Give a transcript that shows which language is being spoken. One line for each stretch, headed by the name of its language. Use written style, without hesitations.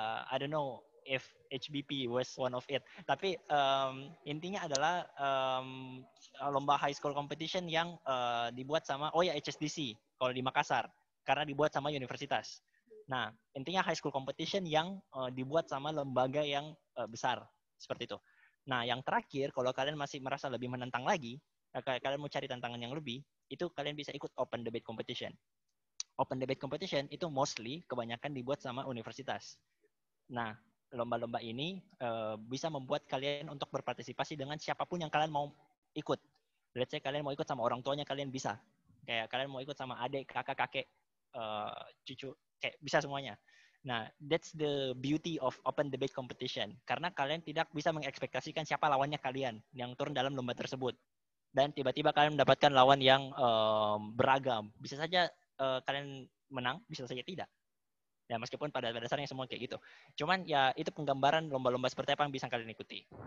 English: I don't know if HBP was one of it.
Indonesian: Tapi intinya adalah lomba high school competition yang dibuat sama HSDC kalau di Makassar, karena dibuat sama universitas. Nah, intinya high school competition yang dibuat sama lembaga yang besar. Seperti itu. Nah, yang terakhir, kalau kalian masih merasa lebih menantang lagi, kalian mau cari tantangan yang lebih, itu kalian bisa ikut open debate competition. Open debate competition itu mostly kebanyakan dibuat sama universitas. Nah, lomba-lomba ini bisa membuat kalian untuk berpartisipasi dengan siapapun yang kalian mau ikut.
English: Let's say
Indonesian: kalian mau ikut sama orang tuanya, kalian bisa. Kayak kalian mau ikut sama adik, kakak, kakek, cucu. Oke, bisa semuanya.
English: Nah, that's the beauty of open debate competition.
Indonesian: Karena kalian tidak bisa mengekspektasikan siapa lawannya kalian yang turun dalam lomba tersebut. Dan tiba-tiba kalian mendapatkan lawan yang beragam. Bisa saja kalian menang, bisa saja tidak. Ya, meskipun pada dasarnya semua kayak gitu. Cuman ya itu penggambaran lomba-lomba seperti apa yang bisa kalian ikuti.